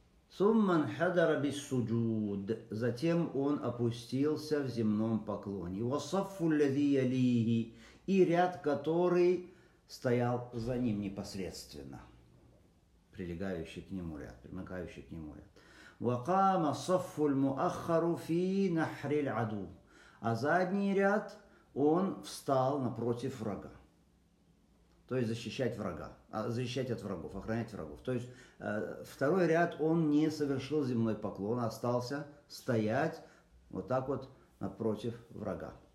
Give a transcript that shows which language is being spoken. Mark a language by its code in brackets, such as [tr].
[ar] Сумман хадара биссуджуд. [ru] Затем он опустился в земном поклоне. [ar] Васаффу лязи ялихи. [ru] И ряд, который стоял за ним непосредственно. Прилегающий к нему ряд, примыкающий к нему ряд. [ar] وقام صف المؤخر في نحر العدو. [ru] А задний ряд он встал напротив врага. То есть защищать врага, защищать от врагов, охранять врагов. То есть второй ряд он не совершил земной поклон, а остался стоять вот так вот напротив врага.